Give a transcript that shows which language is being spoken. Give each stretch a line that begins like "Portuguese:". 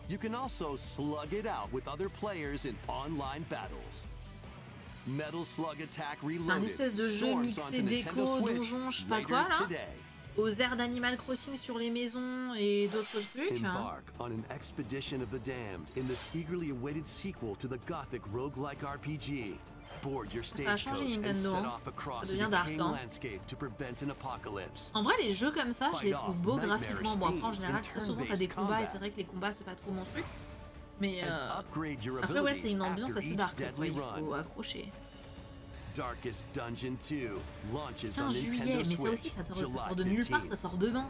English: You can also slug it out with other players in online battles. Metal Slug Attack Reloaded.
French: Un espèce de jeu mixé déco, donjon, je sais pas quoi là. Today. Aux airs d'Animal Crossing sur les maisons et d'autres trucs.
English: Embark on an expedition of the damned in this eagerly awaited sequel to the gothic roguelike RPG. Board your stagecoach and set off across a decaying landscape to prevent an apocalypse.
French: En vrai, les jeux comme ça, je les trouve beaux graphiquement. Bon, après, en général, très souvent, t'as des combats et c'est vrai que les combats, c'est pas trop mon truc. Mais après, ouais, c'est une ambiance assez dark, quoi. Il faut accrocher.
English: Darkest Dungeon 2 launches on Nintendo Switch. July 15th.
French: Ça sort demain.